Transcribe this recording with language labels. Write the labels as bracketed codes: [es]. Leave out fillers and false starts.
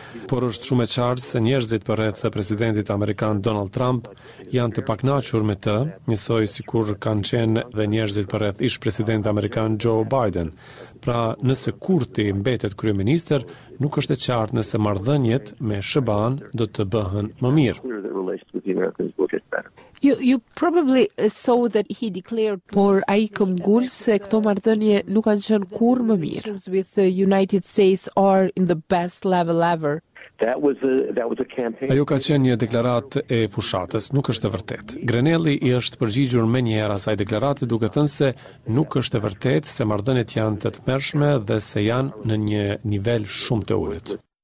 [sq] Por është shumë e qartë se njerëzit përreth presidentit amerikan Donald Trump janë të pakënaqur me të, njësoj sikur kanë qenë dhe njerëzit përreth ish-presidentit amerikan Joe Biden. Pra, nëse Kurti mbetet kryeministër, nuk është e qartë nëse marrëdhëniet me SBA-n do të bëhen më mirë. [en] You probably saw that he declared [sq] por ai këmbgul se këto marrëdhënie nuk kanë qenë kurrë më mirë. [en] With the United States are in the best level ever. That was a campaign. [sq] Ajo ka qenë një deklaratë e fushatës, nuk është e vërtetë. Grenelli i është përgjigjur më një herë asaj deklarate duke thënë se nuk është e vërtetë se marrëdhëniet janë të tmerrshme dhe se janë në një nivel shumë të ulët.